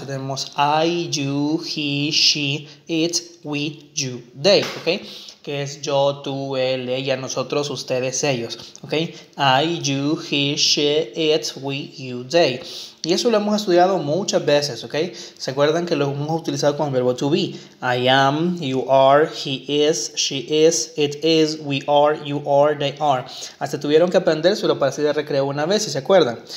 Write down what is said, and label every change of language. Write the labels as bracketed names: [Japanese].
[Spanish] Tenemos [English] I, you, he, she, it, we, you, they, okay? [Spanish] Que es yo, tú, él, ella, nosotros, ustedes, ellos, okay? [English] I, you, he, she, it, we, you, they. [Spanish] Y eso lo hemos estudiado muchas veces, ¿ok? ¿Se acuerdan que lo hemos utilizado con el verbo to be? [English] I am, you are, he is, she is, we are, you are, they are. [Spanish] Hasta tuvieron que aprender solo para hacer el recreo una vez, ¿se acuerdan?